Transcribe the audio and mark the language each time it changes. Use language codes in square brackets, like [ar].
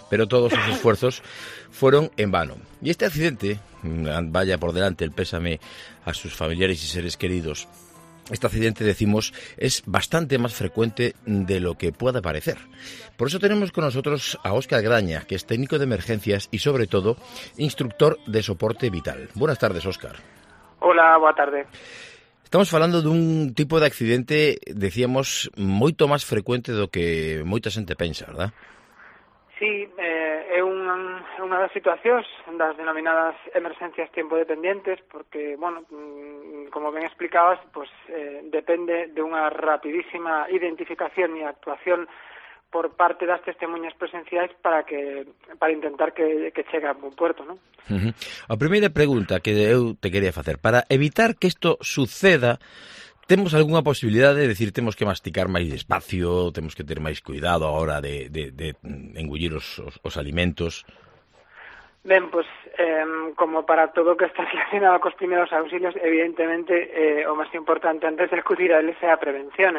[es] Pero todos sus esfuerzos fueron en vano. Y este accidente, vaya por delante el pésame a sus familiares y seres queridos, este accidente, decimos, es bastante más frecuente de lo que pueda parecer. Por eso tenemos con nosotros a Óscar Graña, que es técnico de emergencias y, sobre todo, instructor de soporte vital. Buenas tardes, Óscar. Hola, buena tarde. [gl] Estamos falando dun tipo de accidente, decíamos, moito máis frecuente do que moita xente pensa, ¿verdad? Sí, é unha das situacións das denominadas emerxencias tempo dependentes, porque, bueno, como ben explicabas, pues, depende de unha rapidísima identificación e actuación por parte das testemunhas presenciais para intentar que chegue [es] a buen puerto, [gl] ¿no? Uh-huh. A primeira pregunta que eu te quería facer, para evitar que isto suceda, ¿temos [es] alguna posibilidad de decir tenemos que masticar más despacio, tenemos que tener más cuidado ahora de engullir los alimentos? Bien, pues como para todo que está relacionado con los primeros auxilios, evidentemente, o más importante antes de acudir a él, es la prevención.